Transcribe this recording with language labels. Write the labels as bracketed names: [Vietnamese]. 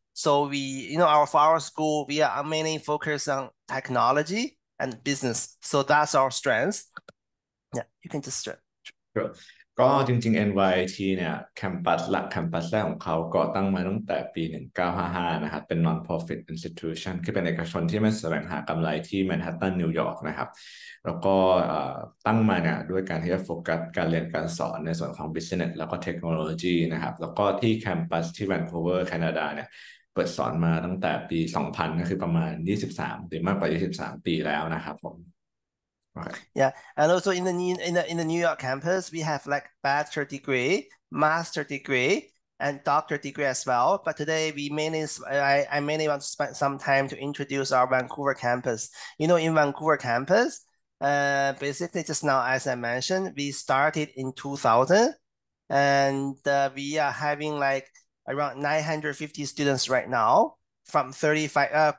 [English] So we, you know, for our school, we are mainly focused on technology and business. So that's our strength. Yeah, you can just stretch. Sure. [Thai] ก็จริงๆ NYIT เนี่ยแคมปัสหลักแคมปัสแรกของเขาก่อตั้งมาตั้งแต่ปี1955นะครับเป็น [English] non-profit institution [Thai] คือเป็นเอกชนที่ไม่แสวงหากำไรที่แมนฮัตตันนิวยอร์กนะครับแล้วก็ตั้งมาเนี่ยด้วยการที่จะโฟกัสการเรียนการสอนในส่วนของ business แล้วก็เทคโนโลยีนะครับแล้วก็ที่แคมปัสที่ Vancouver แคนาดาเนี่ยเปิดสอนมาตั้งแต่ปี2000ก็คือประมาณ23หรือมากกว่า23ปีแล้วนะครับผม [English] Okay. Yeah, and also in the New York campus, we have like bachelor degree, master degree, and doctor degree as well. But today we mainly, I mainly want to spend some time to introduce our Vancouver campus. You know, in Vancouver campus, Basically, just now, as I mentioned, we started in 2000, and we are having like around 950 students right now from 35.